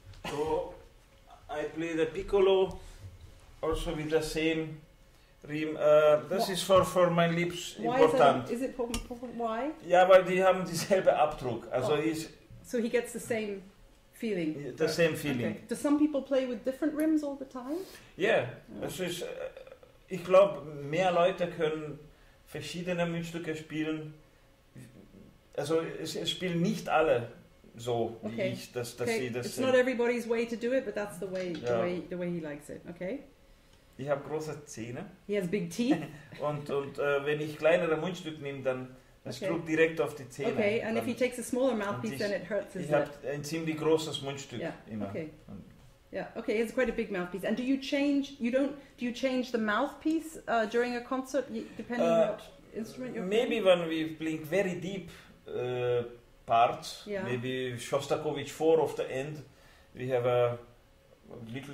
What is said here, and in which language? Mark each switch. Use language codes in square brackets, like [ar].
[en] So I play the piccolo also with the same rim. This is for my lips. Why important. Is it why? Yeah, but they have [de] dieselbe Abdruck. Also [en] so he gets the same feeling. The same feeling. Okay. Do some people play with different rims all the time? Yeah. [de] Also ist, ich glaube, mehr Leute können verschiedene Mundstücke spielen. Also es spielen nicht alle so wie ich, dass sie das. [en] It's not everybody's way to do it, but that's the way the way he likes it. Okay. [de] Ich habe große Zähne. [en] He has big teeth. [de] und wenn ich kleinere Mundstück nehme, dann es drückt direkt auf die Zähne. [en] Okay, and if he takes a smaller mouthpiece, then it hurts his lips. [de] Ich habe ein ziemlich großes Mundstück immer. [en] Okay. Okay, it's quite a big mouthpiece. And do you change the mouthpiece during a concert, depending on what instrument you're maybe playing? Maybe when we play very deep parts, maybe Shostakovich 4 of the end, we have a little